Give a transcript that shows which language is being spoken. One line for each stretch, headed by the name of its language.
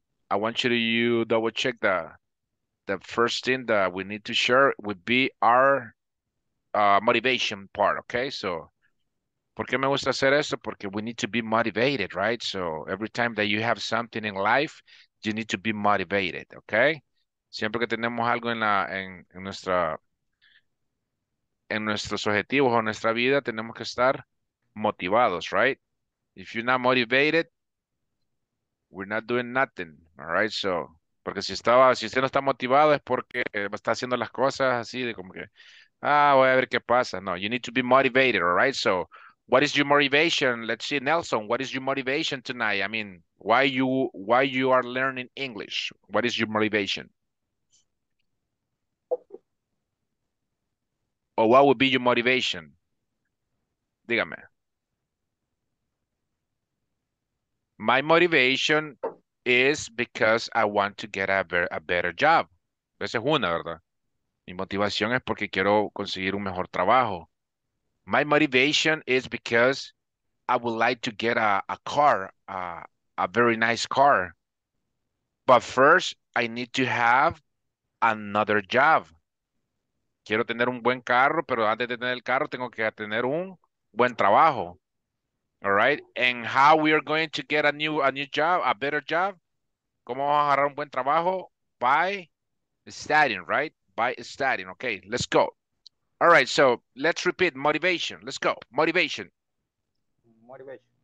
English: I want you to double check that. The first thing that we need to share would be our motivation part, okay?
Spanish: So, ¿por qué me gusta hacer esto? Porque
English: we need to be motivated, right? So, every time that you have something in life, you need to be motivated, okay?
Spanish: Siempre que tenemos algo en nuestros objetivos o nuestra vida, tenemos que estar motivados, right?
English: If you're not motivated, we're not doing nothing, all right?
Spanish: So, porque si usted no está motivado es porque está haciendo las cosas así de como que, voy a ver qué pasa.
English: No, you need to be motivated, all right? So, what is your motivation? Let's see, Nelson, what is your motivation tonight? I mean, why you are learning English? What is your motivation? Or what would be your motivation? Dígame. My motivation is because I want to get a better job.
Spanish: Esa es una, ¿verdad? Mi motivación es porque quiero conseguir un mejor trabajo.
English: My motivation is because I would like to get a very nice car. But first, I need to have another job.
Spanish: Quiero tener un buen carro, pero antes de tener el carro, tengo que tener un buen trabajo.
English: All right? And how we are going to get a new job, a better job?
Spanish: ¿Cómo vamos a agarrar un buen trabajo?
English: By studying, right? By studying. Okay, let's go. All right, so let's repeat motivation. Let's go. Motivation. Motivation.